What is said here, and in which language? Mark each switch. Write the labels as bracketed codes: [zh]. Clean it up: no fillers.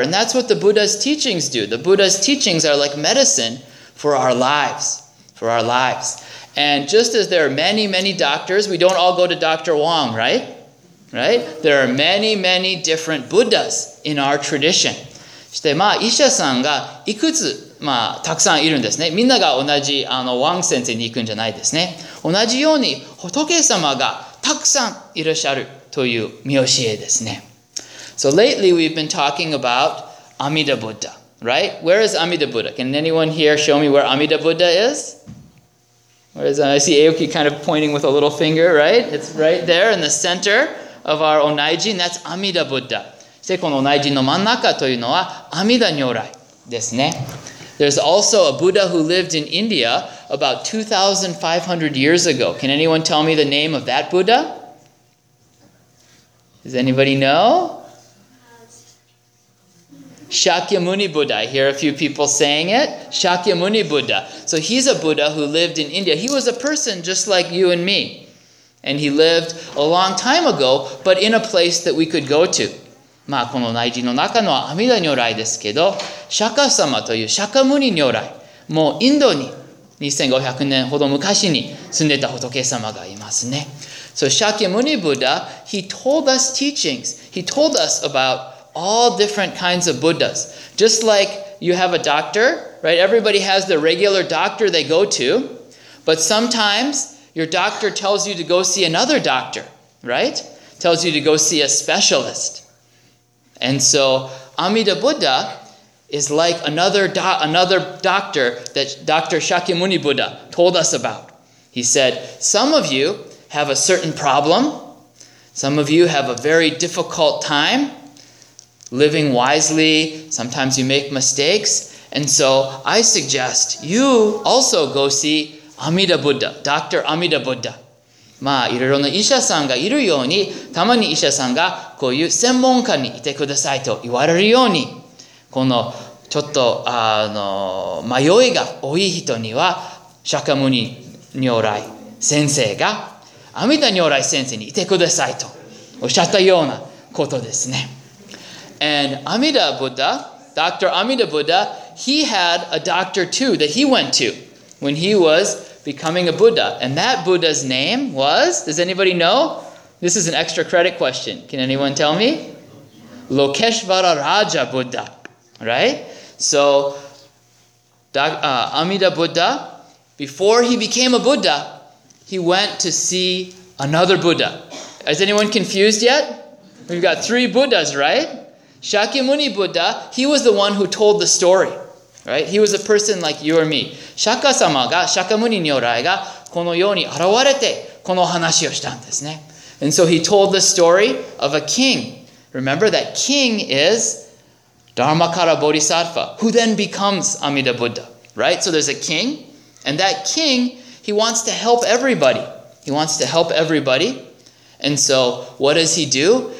[en] And that's what the Buddha's teachings do. The Buddha's teachings are like medicine for our lives. For our lives. And just as there are many, many doctors, we don't all go to Dr. Wong, right? Right? There are many, many different Buddhas in our tradition. [ja] そして、まあ、医者さんがいくつ、まあ、たくさんいるんですね。みんなが同じ、あの、ワン先生に行くんじゃないですね。同じように、仏様がたくさんいらっしゃるという見教えですね。 [en] So lately we've been talking about Amida Buddha, right? Where is Amida Buddha? Can anyone here show me where Amida Buddha is? Where is that? I see Aoki kind of pointing with a little finger, right? It's right there in the center of our Onaiji, and that's Amida Buddha. [ja] で、この内陣の真ん中というのは阿弥陀如来ですね。 [en] There's also a Buddha who lived in India about 2,500 years ago. Can anyone tell me the name of that Buddha? Does anybody know? Shakyamuni Buddha. I hear a few people saying it. Shakyamuni Buddha. So he's a Buddha who lived in India. He was a person just like you and me. And he lived a long time ago, but in a place that we could go to. [ja] まあ、この内陣の中のは阿弥陀如来ですけど、釈迦様という釈迦牟尼如来、もうインドに2500年ほど昔に住んでた仏様がいますね。 [en] So Shakyamuni Buddha, he told us teachings. He told us about all different kinds of Buddhas. Just like you have a doctor, right? Everybody has their regular doctor they go to. But sometimes your doctor tells you to go see another doctor, right? Tells you to go see a specialist. And so, Amida Buddha is like another doctor that Dr. Shakyamuni Buddha told us about. He said, some of you have a certain problem. Some of you have a very difficult time living wisely. Sometimes you make mistakes. And so, I suggest you also go see Amida Buddha, Dr. Amida Buddha. [ja] まあ、いろいろな医者さんがいるように、たまに医者さんがこういう専門家にいてくださいと言われるように、このちょっと迷いが多い人には、釈迦牟尼如来先生が、阿弥陀如来先生にいてくださいとおっしゃったようなことですね。 [en] And Amida Buddha, Dr. Amida Buddha, he had a doctor too that he went to when he wasbecoming a Buddha. And that Buddha's name was, does anybody know? This is an extra credit question. Can anyone tell me? Lokeshvara Raja Buddha. Right? So, Amida Buddha, before he became a Buddha, he went to see another Buddha. Is anyone confused yet? We've got three Buddhas, right? Shakyamuni Buddha, he was the one who told the story. Right? He was a person like you or me. [ja] 釈迦様が、釈迦牟尼如来がこのように現れてこの話をしたんですね。 [en] And so he told the story of a king. Remember that king is Dharmakara Bodhisattva, who then becomes Amida Buddha. Right? So there's a king, and that king, he wants to help everybody. He wants to help everybody. And so what does he do?